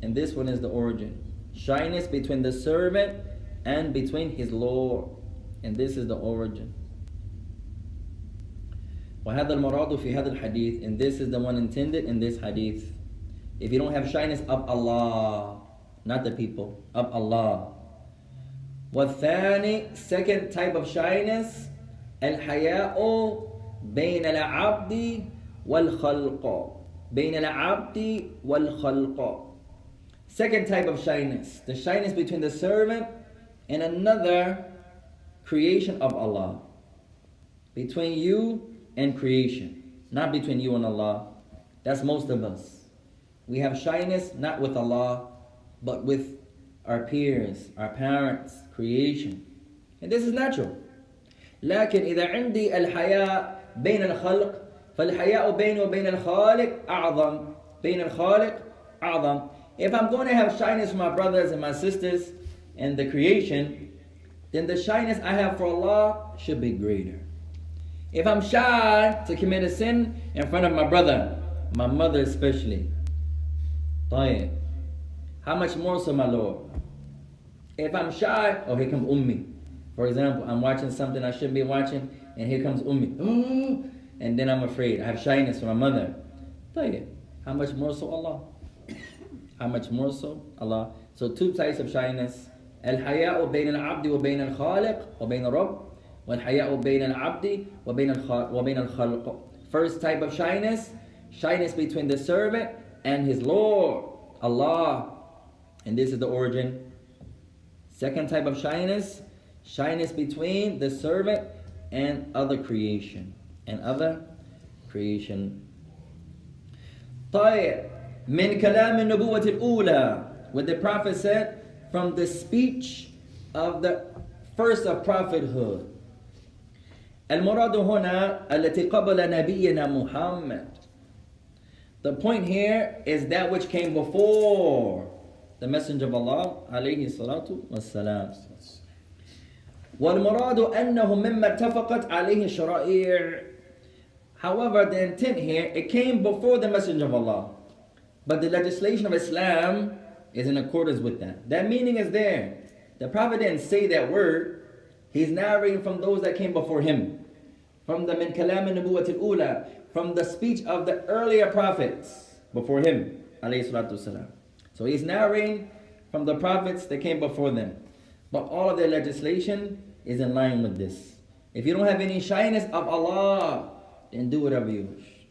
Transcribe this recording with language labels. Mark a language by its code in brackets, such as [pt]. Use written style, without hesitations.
[en] And this one is the origin. Shyness between the servant and between his Lord. And this is the origin. [ar] وَهَذَا الْمَرَادُ فِي هَذَا الْحَدِيثِ. [en] And this is the one intended in this hadith. If you don't have shyness of Allah, not the people, of Allah. [ar] وَالثَّانِي, [en] second type of shyness, [ar] الْحَيَاءُ بَيْنَ الْعَبْدِ وَالْخَلْقُ. بَيْنَ الْعَبْدِ وَالْخَلْقُ. [en] Second type of shyness, the shyness between the servant and another creation of Allah. Between you and creation, not between you and Allah. That's most of us. We have shyness not with Allah, but with our peers, our parents, creation. And this is natural. [ar] لكن إذا عندي الحياء بين الخلق فالحياء بيني وبين الخالق أعظم. بين الخالق أعظم. [en] If I'm going to have shyness for my brothers and my sisters and the creation, then the shyness I have for Allah should be greater. If I'm shy to commit a sin in front of my brother, my mother especially, طيب, how much more so my Lord? If I'm shy, oh, here comes Ummi. For example, I'm watching something I shouldn't be watching, and here comes Ummi. And then I'm afraid. I have shyness for my mother. طيب, how much more so Allah? How much more so Allah? So two types of shyness. [ar] الحياء بين العبد وبين الخالق وبين الرب والحياء بين العبد وبين الخالق. [en] First type of shyness, shyness between the servant and his Lord, Allah. And this is the origin. Second type of shyness, shyness between the servant and other creation. And other creation. [ar] طيب, من كلام النبوة الأولى. [en] What the Prophet said, from the speech of the first of prophethood. [ar] المراد هنا التي قبل نبينا محمد. [en] The point here is that which came before the Messenger of Allah, alayhi salatu wassalam. [ar] والمراد أنه مما اتفقت عليه الشرائع. [en] However, the intent here, it came before the Messenger of Allah. But the legislation of Islam is in accordance with that. That meaning is there. The Prophet didn't say that word. He's narrating from those that came before him. From the [ar] من كلام النبوة الأولى. [en] From the speech of the earlier prophets before him, alayhi salatu wassalam. So he's narrating from the prophets that came before them. But all of their legislation is in line with this. If you don't have any shyness of Allah, then do whatever you wish.